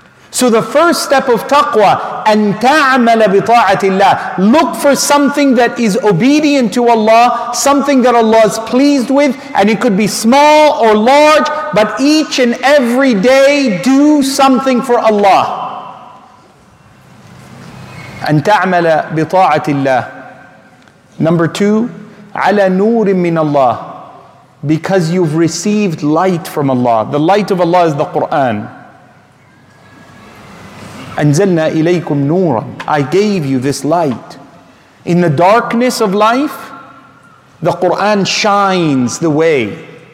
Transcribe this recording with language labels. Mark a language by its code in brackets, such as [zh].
[en] So the first step of taqwa, [ar] أَن تَعْمَلَ بِطَاعَةِ اللَّهِ. [en] Look for something that is obedient to Allah, something that Allah is pleased with, and it could be small or large, but each and every day do something for Allah. [ar] أن تعمل بطاعة الله. [en] Number two, [ar] على نور من الله. [en] Because you've received light from Allah. The light of Allah is the Quran. [ar] أنزلنا إليكم نورا. [en] I gave you this light. In the darkness of life, the Quran shines the way.